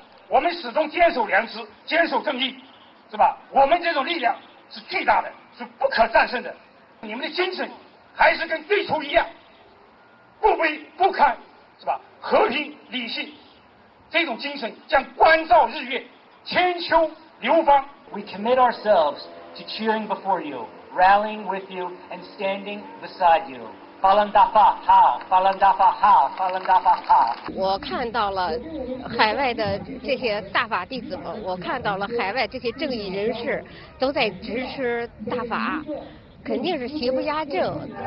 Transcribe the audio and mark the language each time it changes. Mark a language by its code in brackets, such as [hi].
[zh] 我们始终坚守良知，坚守正义，是吧？我们这种力量是巨大的，是不可战胜的。你们的精神还是跟最初一样，不卑不亢，是吧？和平理性，这种精神将关照日月，千秋流芳。 [en] We commit ourselves to cheering before you, rallying with you, and standing beside you. [zh] 法轮大法好，法轮大法好，法轮大法好。我看到了海外的这些大法弟子们，我看到了海外这些正义人士都在支持大法，肯定是邪不压正。